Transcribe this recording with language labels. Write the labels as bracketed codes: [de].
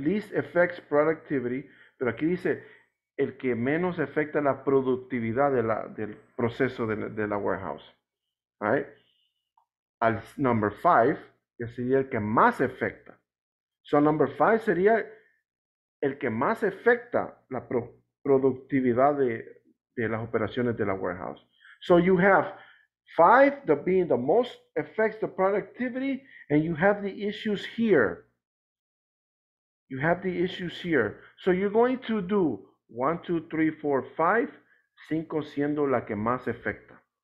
[en] Least affects productivity, [es] pero aquí dice el que menos afecta la productividad de la, del proceso de la warehouse, right? Al number five, que sería el que más afecta. [en] So number five [es] sería el que más afecta la productividad de las operaciones de la warehouse. [en] So you have five, the being the most affects the productivity, and you have the issues here. You have the issues here. So you're going to do 1, 2, 3, 4, 5, 5 [es] siendo la que más afecta.